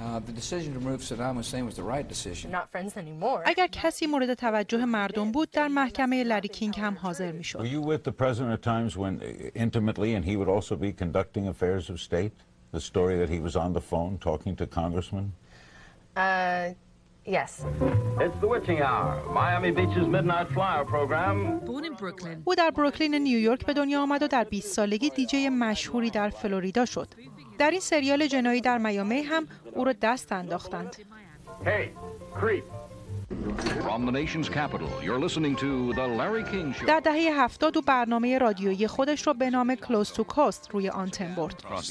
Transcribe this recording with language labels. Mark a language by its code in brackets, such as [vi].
[en] The decision to remove Saddam Hussein was the right decision. Not friends anymore. [fa] اگر کسی مورد توجه مردم بود در محکمه لری کینگ هم حاضر میشد. [en] Were you with the president at times when intimately and he would also be conducting affairs of state? The story that he was on the phone talking to congressmen? Yes. It's the witching hour. Miami Beach's midnight flyer program. Born in Brooklyn. [fa] او در بروکلین نیویورک به دنیا آمد و در 20 سالگی دیجی مشهوری در فلوریدا شد. در این سریال جنایی در میامی هم او را دست انداختند. [en] Hey, creep. From the nation's capital, you're listening to the Larry King show. [fa] در دهه 70 او برنامه رادیویی خودش را به نام Close to Coast روی آنتن برد.